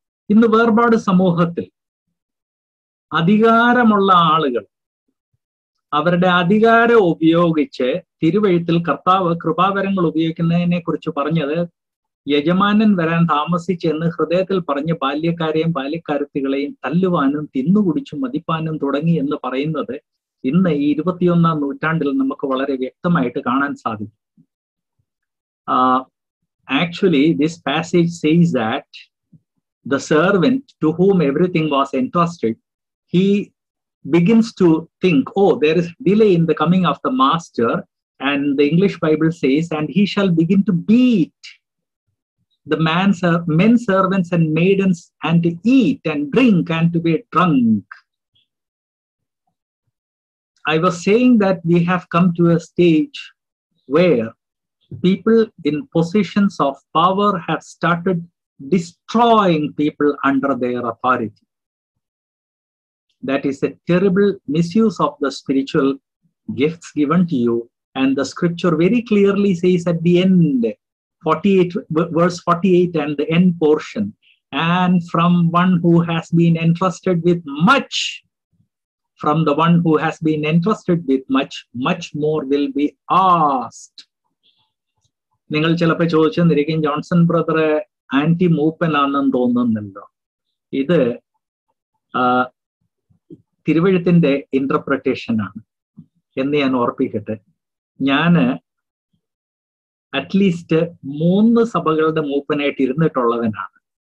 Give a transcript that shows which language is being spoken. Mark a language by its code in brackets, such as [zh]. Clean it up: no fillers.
[ml] ഇന്ന് വേർപാട് സമൂഹത്തിൽ അധികാരമുള്ള ആളുകൾ അവരുടെ അധികാരം ഉപയോഗിച്ച് തിരുവെഴുത്തിൽ കർത്താവ് കൃപാവരങ്ങൾ ഉപയോഗിക്കുന്നതിനെ കുറിച്ച് പറഞ്ഞത് യജമാനൻ വരാൻ താമസിച്ചെന്ന് ഹൃദയത്തിൽ പറഞ്ഞ് ബാല്യക്കാരെയും ബാല്യക്കാരത്തികളെയും തല്ലുവാനും തിന്നുകുടിച്ചും മതിപ്പാനും തുടങ്ങി എന്ന് പറയുന്നത് ഇന്ന് ഈ 21-ാം നൂറ്റാണ്ടിൽ നമുക്ക് വളരെ വ്യക്തമായിട്ട് കാണാൻ സാധിക്കും. [en] Actually, this passage says that the servant to whom everything was entrusted, he begins to think, oh, there is delay in the coming of the master. And the English Bible says, and he shall begin to beat the men servants and maidens and to eat and drink and to be drunk. I was saying that we have come to a stage where people in positions of power have started destroying people under their authority. That is a terrible misuse of the spiritual gifts given to you. And the scripture very clearly says at the end, 48:48 and the end portion, and from one who has been entrusted with much, from the one who has been entrusted with much, much more will be asked. [ml] നിങ്ങൾ ചിലപ്പോൾ ചോദിച്ചെന്നിരിക്കും, Johnson ബ്രദറെ anti മൂപ്പനാണെന്ന് തോന്നുന്നുണ്ടോ? ഇത് തിരുവഴുത്തിൻ്റെ ഇന്റർപ്രിട്ടേഷനാണ് എന്ന് ഞാൻ ഓർപ്പിക്കട്ടെ. ഞാൻ at least 3 സഭകളുടെ മൂപ്പനായിട്ട് ഇരുന്നിട്ടുള്ളവനാണ്.